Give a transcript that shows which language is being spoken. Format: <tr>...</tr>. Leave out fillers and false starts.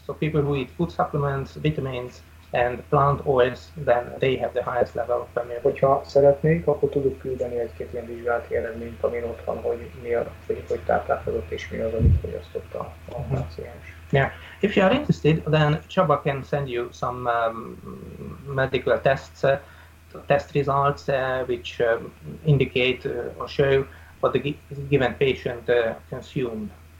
<en>So people who eat food supplements, vitamins and plant oils, then they have the highest level of permeability.</en> <hu>Ha szeretnék, akkor tudok küldeni egy-két ilyen vizsgált eredményt, amin ott van, hogy mi a hogy táplálkozott és mi az, amit fogyasztott a paciens.</hu> <en>Yeah, if you are interested, then Csaba can send you some medical tests, test results, which indicate or show what the given patient consumed.</en>